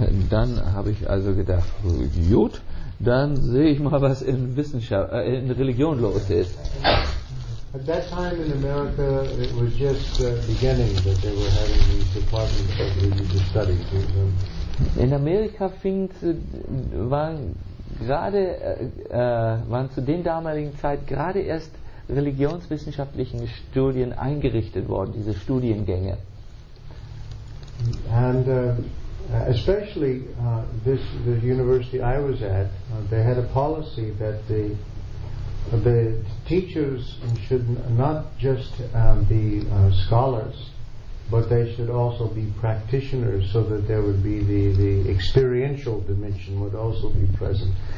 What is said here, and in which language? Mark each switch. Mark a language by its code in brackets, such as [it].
[de] Dann habe ich also gedacht, gut, dann sehe ich mal, was in Wissenschaft, in Religion los ist. [en] At that time in America, it was just beginning that they were having these departments of religious studies. [de] In Amerika fing waren gerade waren zu den damaligen Zeit gerade erst religionswissenschaftlichen Studien eingerichtet worden, diese Studiengänge. [en] And especially the university I was at, they had a policy that the teachers should not just be scholars, but they should also be practitioners, so that there would be the experiential dimension would also be present.